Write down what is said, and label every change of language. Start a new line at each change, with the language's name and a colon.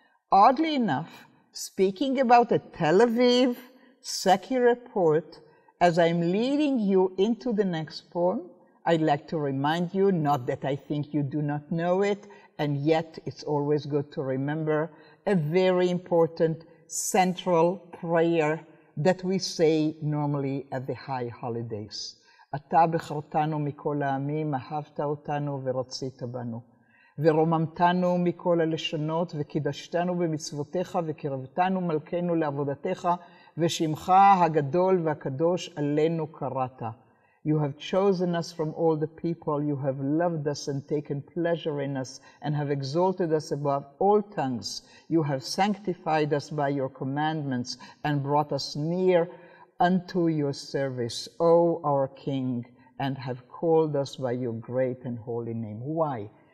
English: Oddly enough, speaking about a Tel Aviv secular poet, as I'm leading you into the next poem, I'd like to remind you, not that I think you do not know it, and yet it's always good to remember, a very important central prayer that we say normally at the high holidays.
Hebrew: Ata bechartanu mikol ha'amim, ahavta otanu v'ratzita banu. ורוממתנו מכל הלשונות, וקידשתנו במצוותיך, וקרבתנו מלכנו לעבודתך, ושמך הגדול והקדוש עלינו קראת.
English: You have chosen us from all the people, you have loved us and taken pleasure in us, and have exalted us above all tongues. You have sanctified us by your commandments, and brought us near unto your service, O our King, and have called us by your great and holy name. Why?